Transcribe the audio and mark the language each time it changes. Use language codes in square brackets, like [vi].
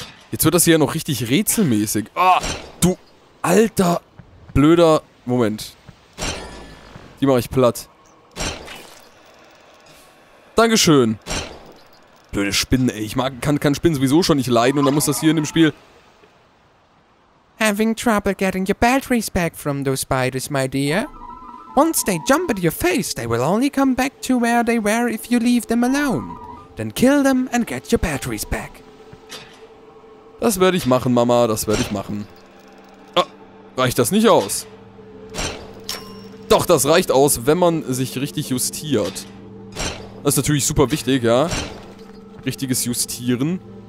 [de] Jetzt wird das hier ja noch richtig rätselmäßig. Ah, du alter blöder... Moment. Die mache ich platt. Dankeschön. Blöde Spinnen, ey. Ich mag, kann Spinnen sowieso schon nicht leiden. Und dann muss das hier in dem Spiel... [en] Having trouble getting your batteries back from those spiders, my dear. Once they jump at your face, they will only come back to where they were if you leave them alone. Then kill them and get your batteries back. [de] Das werde ich machen, Mama, das werde ich machen. Ah, reicht das nicht aus? Doch, das reicht aus, wenn man sich richtig justiert. Das ist natürlich super wichtig, ja. Richtiges Justieren.